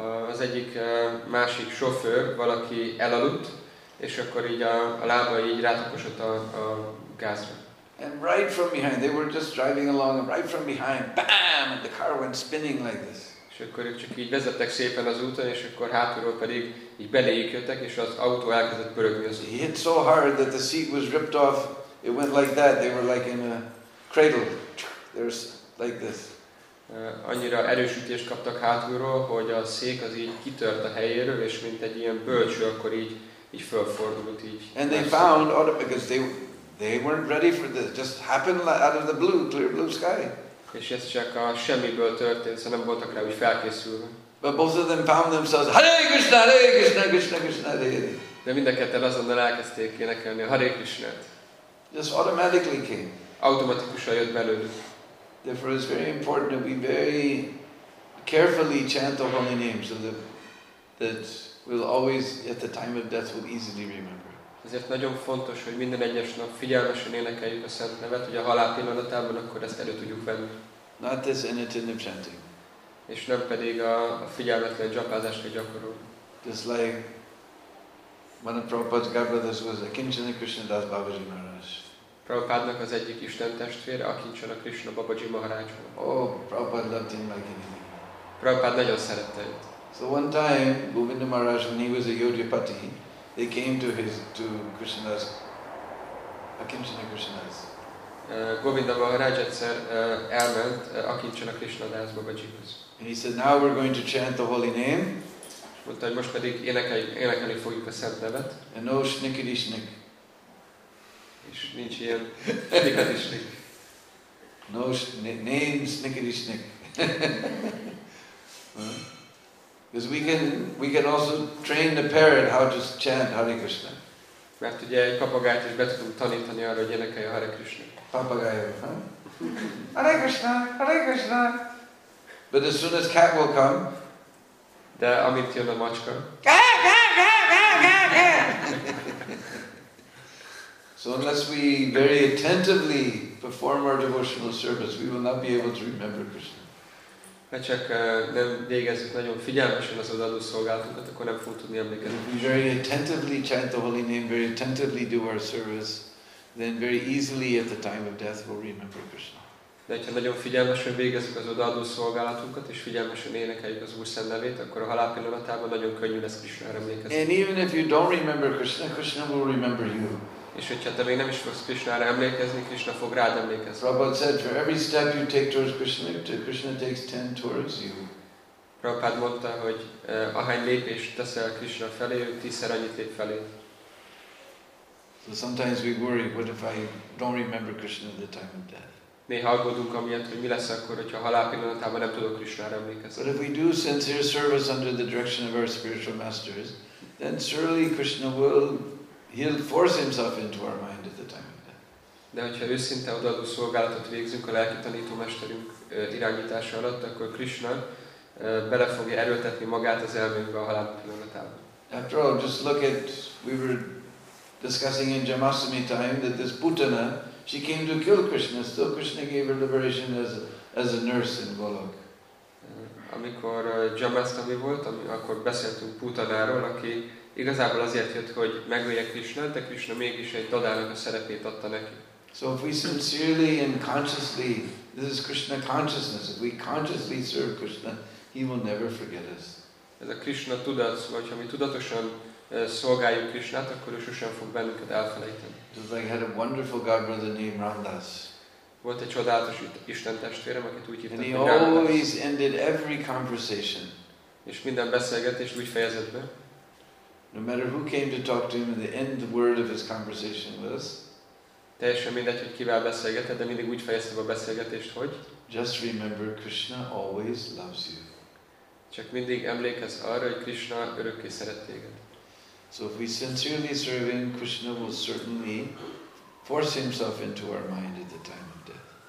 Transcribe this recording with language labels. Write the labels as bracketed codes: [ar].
[hu] Az egyik másik sofőr, valaki elaludt, és akkor így a lába így rátaposott a gázra. [en] And right from behind, they were just driving along, and right from behind, bam, and the car went spinning like this. [hu] És akkor ők csak így vezettek szépen az úton, és akkor hátulról pedig így beléjük jöttek, és az autó elkezdett pörögni az úton. [en] He hit so hard that the seat was ripped off, it went like that, they were like in a cradle. There's like this. [hu] Annyira erősítést kaptak hátulról, hogy a szék az így kitört a helyéről, és mint egy ilyen bölcső, akkor így fölfordult így. [en] And they found out because they weren't ready for this. Just happened out of the blue, clear blue sky. [hu] És ez csak a semmiből történt, szóval nem voltak rá úgy felkészülve. [en] But both of them found themselves, Hare Krishna, Hare Krishna, Krishna Krishna, Hare Hare. [hu] De mind a ketten azonnal elkezdték énekelni a Hare Krishnát. [en] Just automatically came. [hu] Automatikusan jött belőlük. [en] Therefore it's very important that we very carefully chant the holy names so that we'll always at the time of death will easily remember. [hu] Ezért nagyon fontos, hogy minden egyes nap figyelmesen énekeljük a szent nevet, hogy a halál pillanatában akkor ezt elő tudjuk venni. [en] Not this inattentive chanting. [hu] És nem pedig a figyelmetlen japázást gyakorol. [en] Just like one of Prabhupada's god brothers was Akinchana Krishna Das Babaji Maharaj. [hu] Prabhupádnak az egyik Isten testvére, Akinchana Krishna Babaji Maharaj. [en] Oh, Prabhupada loved him like anything. [hu] Prabhupád nagyon szerette őt. [en] So one time, Govinda Maharaj, when he was a yogipati, they came to Krishna's, Akinchana Krishna's. [hu] Govinda Maharaj egyszer elment Akinchana Krishna Das Babaji-hoz. [en] And he said, now we're going to chant the holy name. [hu] És mondta, hogy most pedig énekelni fogjuk a szent nevet. [en] And no snikidishnik. [hu] És nincs ilyen snikadisnik. [en] No, name snikadisnik. Because we can also train the parrot how to chant Hare Krishna. [hu] Mert ugye egy papagájt is be tudunk tanítani arra, hogy énekelje a Hare Krishna. Papagájó, huh? Hare Krishna, Hare Krishna. [en] But as soon as cat will come, [hu] de amit jön a macska, [en] so unless we very attentively perform our devotional service, we will not be able to remember Krishna. [hu] Ha csak nem végezzük nagyon figyelmesen az odaadó szolgálatunkat, akkor nem fogunk tudni emlékezni. [en] If we very attentively chant the holy name, very attentively do our service, then very easily at the time of death we'll remember Krishna. [hu] De ha nagyon figyelmesen végezzük az odaadó szolgálatunkat, és figyelmesen énekeljük az Úr Szent nevét, akkor a halál pillanatában nagyon könnyű lesz Krishnára emlékezni. [en] And even if you don't remember Krishna, Krishna will remember you. [hu] És hogyha te még nem is fogsz Krishnára emlékezni, Krishna fog rád emlékezni. [en] Prabhupada said, for every step you take towards Krishna, Krishna takes 10 towards you. [hu] Prabhupada mondta, hogy ahány lépést teszel Krishna felé, ő 10-szer annyit lép felé. [en] So sometimes we worry, what if I don't remember Krishna at the time of death? [hu] Néha aggódunk amiatt, hogy mi lesz akkor, hogyha halál pillanatában nem tudok Krisnára emlékezni. [en] But if we do sincere service under the direction of our spiritual masters, then surely Krishna will, he'll force himself into our mind at the time of death. [hu] De hogyha őszinte odaadó szolgálatot végzünk a lelki tanító mesterünk irányítása alatt, akkor Krishna bele fogja erőltetni magát az elménkbe a halál pillanatában. [en] After all, just look at, we were discussing in Jamasami time that this Putana, she came to kill Krishna, still Krishna gave her liberation as a nurse in Golok. [hu] Amikor Jamasami volt, akkor beszéltünk Putanáról, aki igazából azért jött, hogy megölje Krishnát, de Krishna mégis egy dadának a szerepét adta neki. [en] So if we sincerely and consciously, this is Krishna consciousness, if we consciously serve Krishna, he will never forget us. [hu] Ez a Krishna tudat, vagy ha mi tudatosan szolgáljuk Krishnát, akkor ő sosem fog bennünket elfelejteni. [en] Just like had a wonderful godbrother named Ramdas. [hu] Volt egy csodálatos Isten testvérem, akit úgy hívtak, hogy [en] Ramdas. And he always ended every conversation. [hu] És minden beszélgetést úgy fejezett be. [en] No matter who came to talk to him, at the end the word of his conversation was. [hu] Teljesen mindegy, hogy kivel beszélgetett, de mindig úgy fejezte be a beszélgetést, hogy. [en] Just remember, Krishna always loves you. [hu] Csak mindig emlékezz arra, hogy Krishna örökké szeret téged. [en] So if we sincerely serve him, Krishna will certainly force himself into our mind at the time of death.